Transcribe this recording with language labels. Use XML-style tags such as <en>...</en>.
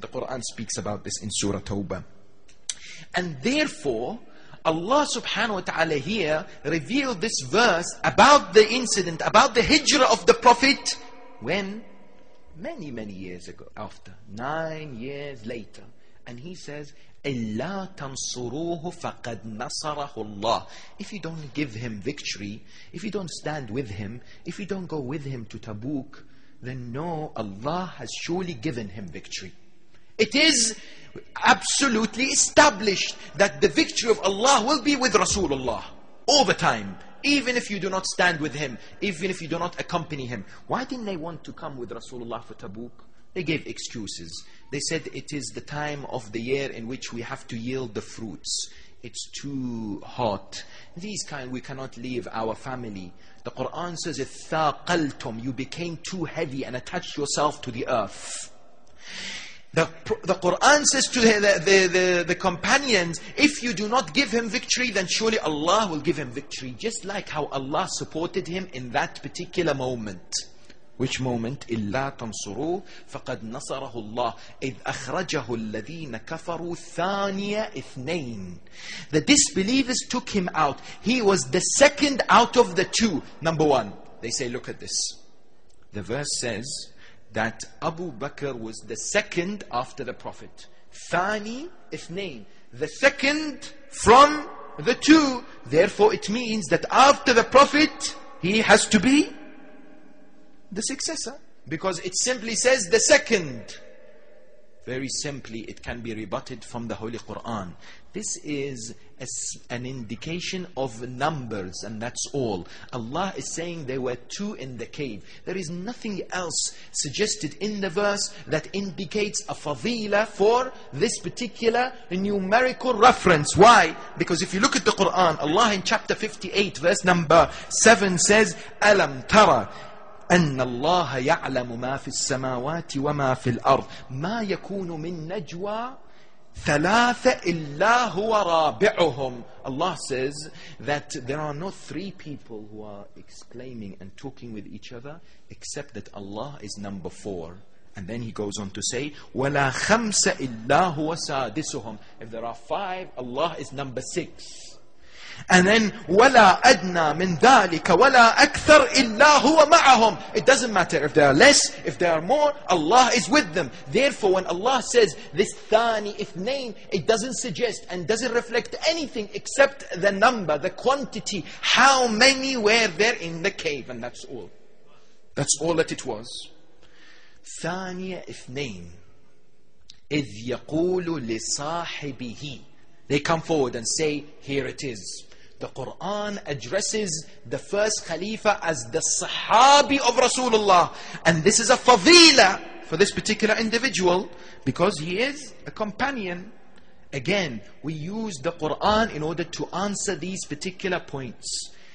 <en>The Quran speaks about this in Surah Tawbah. And therefore, Allah subhanahu wa ta'ala here revealed this verse about the incident, about the hijrah of the Prophet, when? Many, many years ago, after. 9 years later. And he says,</en> <ar>إِلَّا تَنْصُرُوهُ فَقَدْ نَصَرَهُ اللَّهُ.</ar> <en>If you don't give him victory, if you don't stand with him, if you don't go with him to Tabuk, then no, Allah has surely given him victory. It is absolutely established that the victory of Allah will be with Rasulullah all the time. Even if you do not stand with him, even if you do not accompany him. Why didn't they want to come with Rasulullah for Tabuk? They gave excuses. They said it is the time of the year in which we have to yield the fruits. It's too hot. These kind, we cannot leave our family. The Quran says, اثاقلتم, you became too heavy and attached yourself to the earth. The Quran says to the companions, if you do not give him victory, then surely Allah will give him victory. Just like how Allah supported him in that particular moment. Which moment?</en> <ar>إِلَّا تَنْصُرُوهُ فَقَدْ نَصَرَهُ اللَّهُ إِذْ أَخْرَجَهُ الَّذِينَ كَفَرُوا ثَانِيَ اثْنَيْنِ.</ar> <en>The disbelievers took him out. He was the second out of the two. Number one. They say, look at this. The verse says, that Abu Bakr was the second after the Prophet. Thani, ithnain. The second from the two. Therefore, it means that after the Prophet, he has to be the successor. Because it simply says the second. Very simply, it can be rebutted from the Holy Quran. This is an indication of numbers, and that's all. Allah is saying there were two in the cave. There is nothing else suggested in the verse that indicates a fadila for this particular numerical reference. Why? Because if you look at the Quran, Allah in chapter 58, verse number 7 says,</en> <ar>أَلَمْ تَرَى أَنَّ اللَّهَ يَعْلَمُ مَا فِي السَّمَاوَاتِ وَمَا فِي الْأَرْضِ مَا يَكُونُ مِنْ نَجْوَى ثلاثة إلا هو رابعهم.</ar> <en>Allah says that there are not three people who are exclaiming and talking with each other except that Allah is number four. And then he goes on to say,</en> <ar>وَلَا خَمْسَ إِلَّا هُوَ سَادِسُهُمْ.</ar> <en>If there are five, Allah is number six. And then,</en> <ar>وَلَا أَدْنَى مِنْ ذَٰلِكَ وَلَا أَكْثَرْ إِلَّا هُوَ مَعَهُمْ.</ar> <en>It doesn't matter if they are less, if they are more, Allah is with them. Therefore, when Allah says this</en> <ar>ثاني إثنين,</ar> <en>it doesn't suggest and doesn't reflect anything except the number, the quantity, how many were there in the cave. And that's all. That's all that it was.</en> <ar>ثاني إثنين إذ يقول لصاحبه.</ar> <en>They come forward and say, here it is. The Quran addresses the first Khalifa as the Sahabi of Rasulullah. And this is a fadila for this particular individual because he is a companion. Again, we use the Quran in order to answer these particular points.</en>